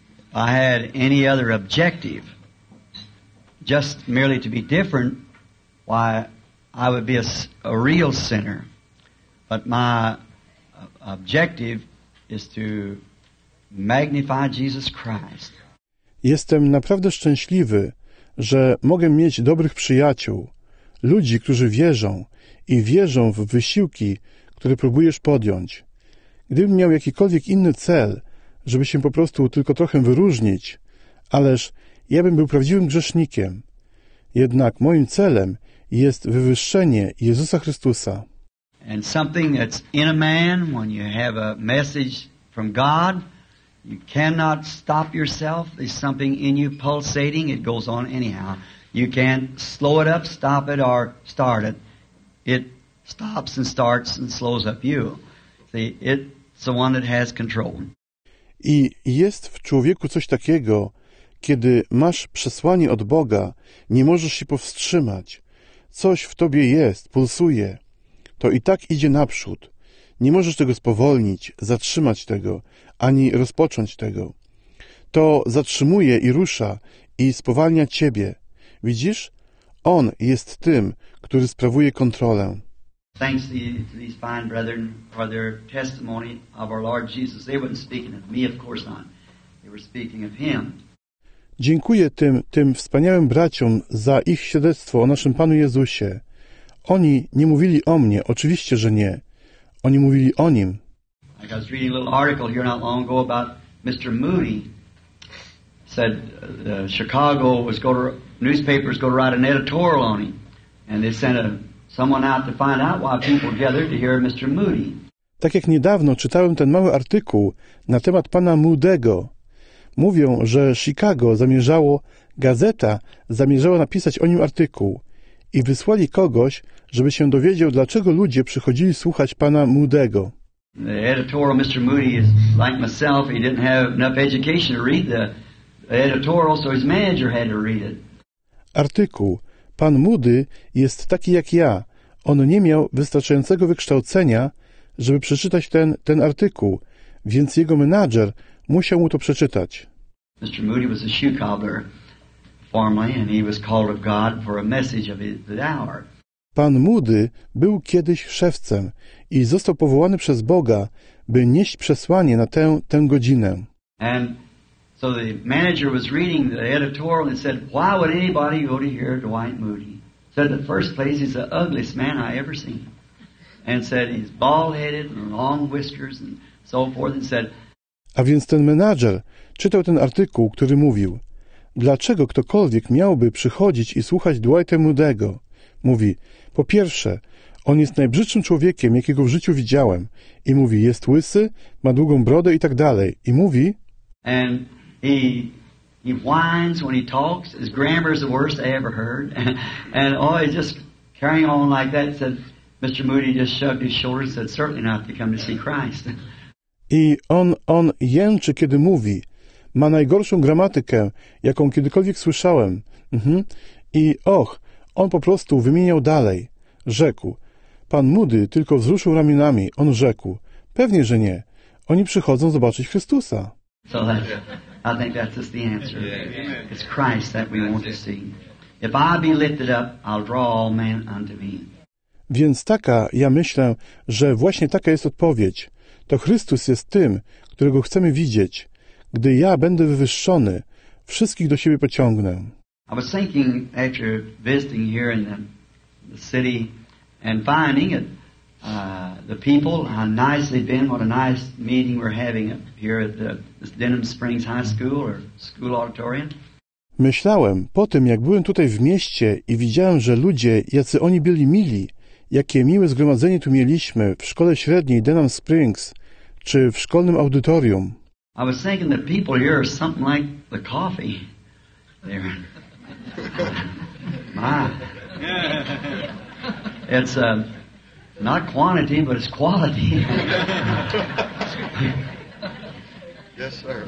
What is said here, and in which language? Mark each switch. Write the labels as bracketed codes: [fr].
[en] If I had any other objective, just merely to be different, why, I would be a real sinner. But my objective is to magnify Jesus Christ. [pl] Jestem naprawdę szczęśliwy, że mogę mieć dobrych przyjaciół, ludzi, którzy wierzą i wierzą w wysiłki, które próbujesz podjąć. Gdybym miał jakikolwiek inny cel, żeby się po prostu tylko trochę wyróżnić, ależ ja bym był prawdziwym grzesznikiem. Jednak moim celem jest wywyższenie Jezusa Chrystusa. [en] And something that's in a man, when you have a message from God, you cannot stop yourself. There's something in you pulsating. It goes on anyhow. You can't slow it up, stop it, or start it. It stops and starts and slows up you. See, it's the one that has control. [pl] I jest w człowieku coś takiego, kiedy masz przesłanie od Boga, nie możesz się powstrzymać. Coś w tobie jest, pulsuje. To i tak idzie naprzód. Nie możesz tego spowolnić, zatrzymać tego, ani rozpocząć tego. To zatrzymuje i rusza, i spowalnia ciebie. Widzisz? On jest tym, który sprawuje kontrolę. [en] Thanks to these fine brethren for their testimony of our Lord Jesus. They weren't speaking of me, of course not. They were speaking of Him. [pl] Dziękuję tym wspaniałym braciom za ich świadectwo o naszym Panu Jezusie. Oni nie mówili o mnie, oczywiście, że nie. Oni mówili o Nim. [en] I was reading a little article here not long ago about Mr. Moody. Said Chicago was going to, newspapers going to write an editorial on him. And they sent someone out to find out why people gathered to hear Mr. Moody. [pl] Tak jak niedawno czytałem ten mały artykuł na temat pana Moody'ego. Mówią, że Chicago zamierzało, gazeta zamierzała napisać o nim artykuł. I wysłali kogoś, żeby się dowiedział, dlaczego ludzie przychodzili słuchać pana Moody'ego. [en] The editorial Mr. Moody is like myself. He didn't have enough education to read the editorial, so his manager had to read it. [pl] Artykuł. Pan Moody jest taki jak ja. On nie miał wystarczającego wykształcenia, żeby przeczytać ten artykuł, więc jego menadżer musiał mu to przeczytać. [en] Mr. Moody was a shoe cobbler. Formerly, and he was called of God for a message of the hour. [pl] Pan Moody był kiedyś szewcem i został powołany przez Boga, by nieść przesłanie na tę godzinę. [en] And so the manager was reading the editorial and said, "Why would anybody go to hear Dwight Moody?" Said, "The first place, he's the ugliest man I ever seen." And said, "He's bald-headed and long whiskers and so forth." And said, [pl] a więc ten menadżer czytał ten artykuł, który mówił. Dlaczego ktokolwiek miałby przychodzić i słuchać Dwighta Moody'ego? Mówi, po pierwsze, on jest najbrzydszym człowiekiem, jakiego w życiu widziałem. I mówi, jest łysy, ma długą brodę i tak dalej. I mówi... [en] And he whines when he talks. His grammar is the worst I ever heard. And he's just carrying on like that. Said, Mr. Moody just shrugged his shoulders and said, certainly not to come to see Christ. [pl] I on jęczy, kiedy mówi... Ma najgorszą gramatykę, jaką kiedykolwiek słyszałem. Mhm. I och, on po prostu wymieniał dalej. Rzekł. Pan Moody tylko wzruszył ramionami. On rzekł. Pewnie, że nie. Oni przychodzą zobaczyć Chrystusa. [en] So I think that's just the answer. It's Christ that we want to see. If I be lifted up, I'll draw all men unto me. [pl] Więc taka, ja myślę, że właśnie taka jest odpowiedź. To Chrystus jest tym, którego chcemy widzieć. Gdy ja będę wywyższony, wszystkich do siebie pociągnę. [en] I was thinking after visiting here in the city and finding it, the people, how nice they've been, what a nice meeting we're having here at the Denham Springs High School or School Auditorium. [pl] Myślałem po tym, jak byłem tutaj w mieście i widziałem, że ludzie, jacy oni byli mili, jakie miłe zgromadzenie tu mieliśmy w szkole średniej Denham Springs czy w szkolnym audytorium. [en] I was thinking the people here are something like the coffee. There. My. It's not quantity, but it's quality. Yes, sir.